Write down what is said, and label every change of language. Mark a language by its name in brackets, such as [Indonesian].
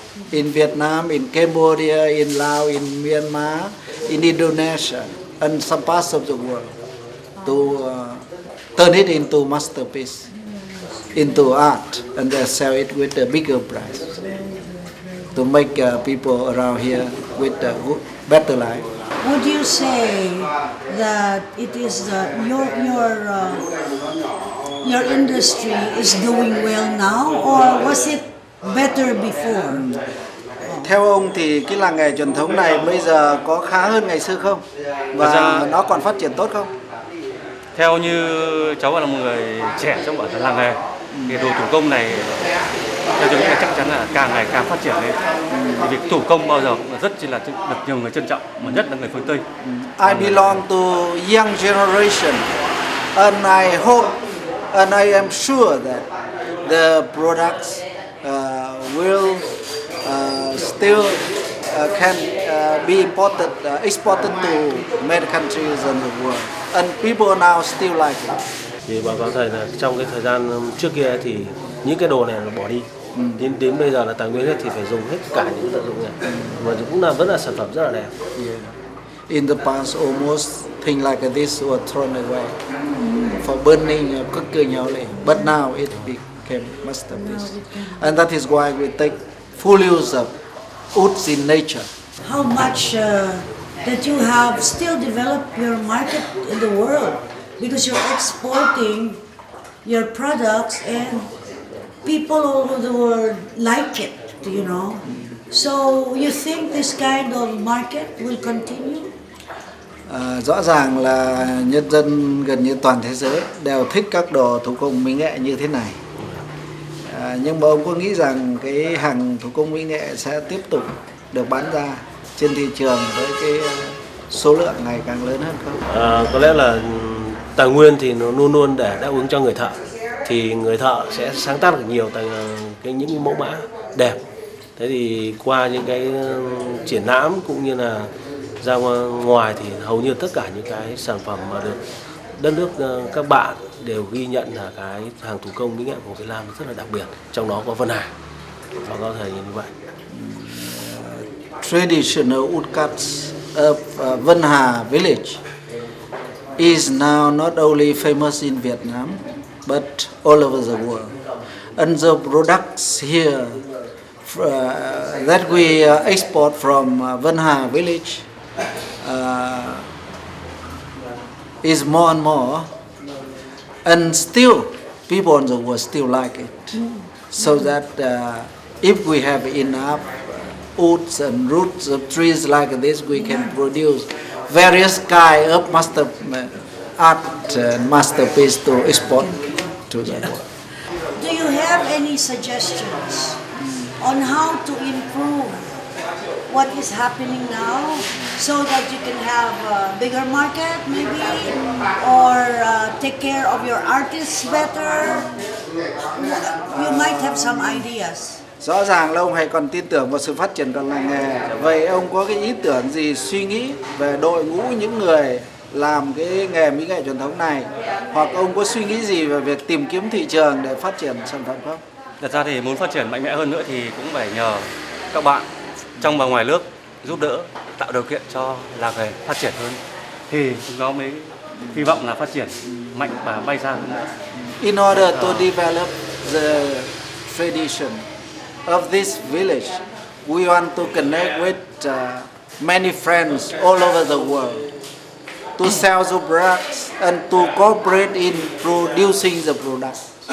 [English] In Vietnam, in Cambodia, in Laos, in Myanmar, in Indonesia, and some parts of the world, to turn it into masterpiece, into art, and they sell it with a bigger price to make people around here with a better life. Would you say that it is your industry is doing well now, or was it better before? [Vietnamese] Theo ông thì cái làng nghề truyền thống này bây giờ có khá hơn ngày xưa không? Và nó còn phát triển tốt không? Theo như cháu là một người trẻ trong bản thân làng nghề, thì đồ thủ công này theo tôi nghĩ chắc chắn là càng ngày càng phát triển lên. Thì việc thủ công bao giờ cũng rất là được nhiều người trân trọng, mà nhất là người phương Tây. [English] I belong to young generation and I hope and I am sure that the products will still can be imported, exported to many countries in the world. And people now still like it. [Vietnamese] Thì báo cáo thầy là trong cái thời gian trước kia thì những cái đồ này là bỏ đi. Đến bây giờ là tài nguyên hết thì phải dùng hết cả những vật dụng này. Và cũng là vẫn là sản phẩm rất là đẹp. Yeah. [English] In the past, almost things like this were thrown away for burning, cooking only. But now it became masterpiece. And that is why we take full use of woods in nature. How much that you have still developed your market in the world, because you're exporting your products and people all over the world like it, you know. So you think this kind of market will continue? [Vietnamese] Rõ ràng là nhân dân gần như toàn thế giới đều thích các đồ thủ công mỹ nghệ như thế này. Nhưng mà ông có nghĩ rằng cái hàng thủ công mỹ nghệ sẽ tiếp tục được bán ra trên thị trường với cái số lượng ngày càng lớn hơn không? Có lẽ là tài nguyên thì nó luôn luôn để đáp ứng cho người thợ. Thì người thợ sẽ sáng tác được nhiều những mẫu mã đẹp. Thế thì qua những cái triển lãm cũng như là ra ngoài thì hầu như tất cả những cái sản phẩm mà được đất nước các bạn đều ghi nhận là cái hàng thủ công mỹ nghệ của Việt Nam rất là đặc biệt, trong đó có Vân Hải. Và có thể nhìn như vậy. [English] Traditional woodcuts of Vân Hà Village is now not only famous in Vietnam but all over the world. And the products here that we export from Vân Hà Village is more and more. And still, people in the world still like it. So that if we have enough woods and roots of trees like this, we can produce various kinds of art and masterpiece to export to the world. Do you have any suggestions on how to improve what is happening now, so that you can have a bigger market, maybe, or take care of your artists better? You might have some ideas. [Vietnamese] Rõ ràng là ông hay còn tin tưởng vào sự phát triển của làng nghề. Vậy ông có cái ý tưởng gì, suy nghĩ về đội ngũ những người làm cái nghề mỹ nghệ truyền thống này? Hoặc ông có suy nghĩ gì về việc tìm kiếm thị trường để phát triển sản phẩm không? Thật ra thì muốn phát triển mạnh mẽ hơn nữa thì cũng phải nhờ các bạn trong và ngoài nước giúp đỡ, tạo điều kiện cho làng nghề phát triển hơn. Thì chúng ta mới hy vọng là phát triển mạnh và bay xa hơn nữa. [English] In order to develop the tradition of this village, we want to connect with many friends all over the world to sell the products and to cooperate in producing the products.